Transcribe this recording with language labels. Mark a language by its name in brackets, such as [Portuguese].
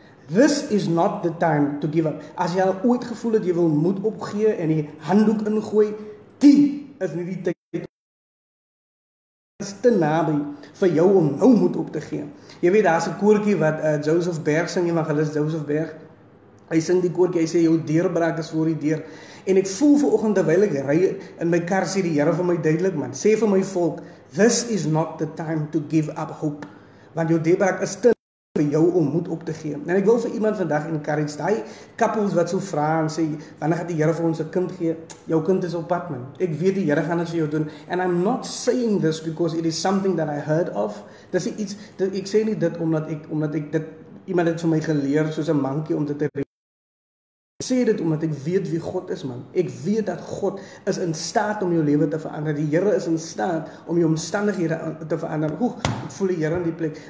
[English] This is not the time to give up. [Afrikaans] As jy al ooit gevoel het, jy wil moed opgee en die handdoek ingooi, die is nie die tyd. Te naby vir jou om nou moed op te gee. Jy weet, daar is 'n koortjie wat Joseph Berg sing, evangelist Joseph Berg, hy sing die koortjie, hy sê, jou deurbraak is voor die deur, en ek voel vanoggend terwyl ek ry in my kar, sê die Here vir my duidelik, man, sê vir my volk, [English] this is not the time to give up hope, [Afrikaans] want jou deurbraak is te vir jou om moed op te gee. En ek wil vir iemand vandag encourage, daai couples wat so vra en sê, wanneer gaat die Here vir ons 'n kind gee? Jou kind is op pad, man. Ek weet die Here gaan dit vir jou doen. [English] And I'm not saying this because it is something that I heard of. [Afrikaans] Dis iets, ek sê nie dit omdat ek dit, iemand het vir my geleer soos 'n mankie om dit te reed. Ek sê dit omdat ek weet wie God is, man. Ek weet dat God is in staat om jou lewe te verander. Die Here is in staat om jou omstandighede te verander. Oeg, ek voel die Here in die plek.